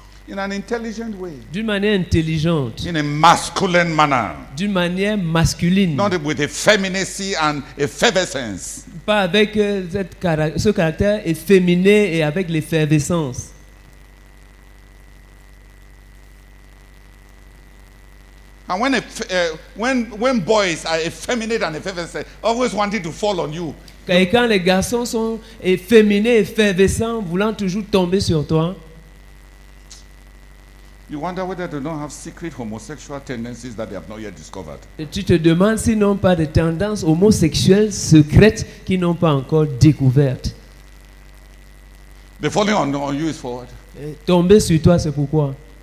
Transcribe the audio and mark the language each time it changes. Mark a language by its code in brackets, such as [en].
[en] In an intelligent way. [fr] D'une manière intelligente. [en] In a masculine manner. [fr] D'une manière masculine. [en] Not with effeminacy and effervescence. [fr] Pas avec ce caractère efféminé et avec l'effervescence. [en] And when boys are effeminate and effervescent, always wanting to fall on you. [fr] Et quand les garçons sont efféminés et effervescents, voulant toujours tomber sur toi. [en] You wonder whether they don't have secret homosexual tendencies that they have not yet discovered. [fr] Et tu te demandes s'ils n'ont pas des tendances homosexuelles secrètes qu'ils n'ont pas encore découvertes. [en] The falling on you is for what? [fr] Tomber sur toi, c'est pourquoi?